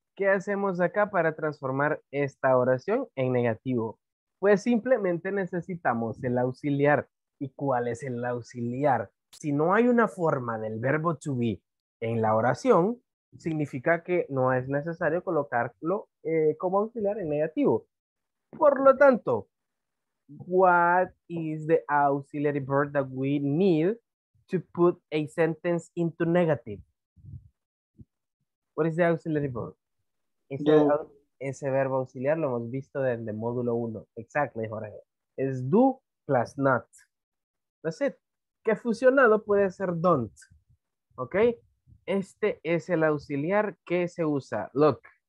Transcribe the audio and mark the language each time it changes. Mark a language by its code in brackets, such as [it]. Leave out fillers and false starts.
[es] ¿Qué hacemos acá para transformar esta oración en negativo? Pues simplemente necesitamos el auxiliar. ¿Y cuál es el auxiliar? Si no hay una forma del verbo to be en la oración, significa que no es necesario colocarlo como auxiliar en negativo. Por lo tanto, [en] what is the auxiliary verb that we need to put a sentence into negative? What is the auxiliary verb? [es] Ese verbo auxiliar lo hemos visto desde el módulo 1. [en] Exactly, Jorge. [es] Es [en] do plus not. That's it. [es] Que fusionado puede ser don't. ¿Ok? Este es el auxiliar que se usa. [en] Look.